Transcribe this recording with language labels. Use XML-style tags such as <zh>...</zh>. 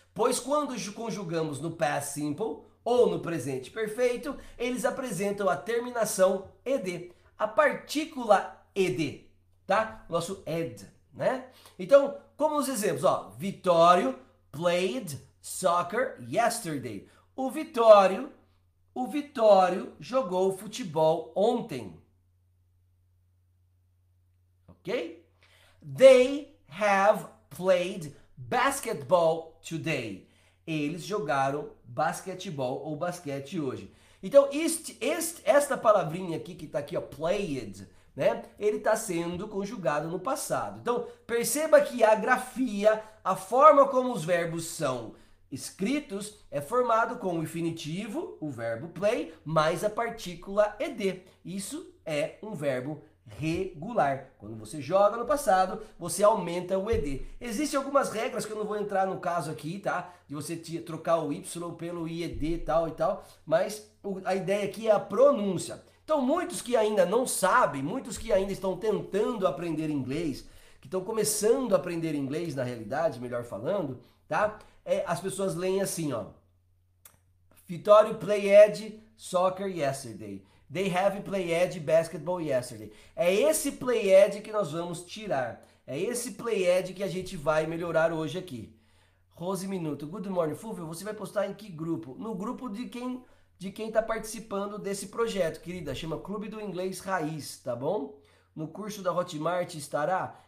<pt>Pois quando conjugamos no past simple ou no presente perfeito, eles apresentam a terminação ed, a partícula ed, tá? Nosso ed, né? Então, como os exemplos, ó,</pt> <en>Vitório played soccer yesterday.</en> <pt>O Vitório jogou futebol ontem. Ok?</pt> <en>They have played basketball today.</en> <pt>Eles jogaram basquetebol ou basquete hoje. Então, esta palavrinha aqui que está aqui, ó, played, né? Ele está sendo conjugado no passado. Então, perceba que a grafia, a forma como os verbos são escritos, é formado com o infinitivo, o verbo play, mais a partícula ed. Isso é um verbo regular. Quando você joga no passado, você aumenta o ed. Existem algumas regras que eu não vou entrar no caso aqui, tá? De você trocar o y pelo ied tal e tal, mas a ideia aqui é a pronúncia. Então, muitos que ainda não sabem, muitos que ainda estão tentando aprender inglês, que estão começando a aprender inglês na realidade, melhor falando, tá? As pessoas leem assim, ó.</pt> <en>Vitório played soccer yesterday. They have played basketball yesterday.</en> <pt>É esse played que nós vamos tirar. É esse played que a gente vai melhorar hoje aqui. Rose Minuto,</pt> <en>Good Morning</en> <pt>Fulvio, você vai postar em que grupo? No grupo de quem está participando desse projeto, querida. Chama Clube do Inglês Raiz, tá bom? No curso da Hotmart estará.</pt>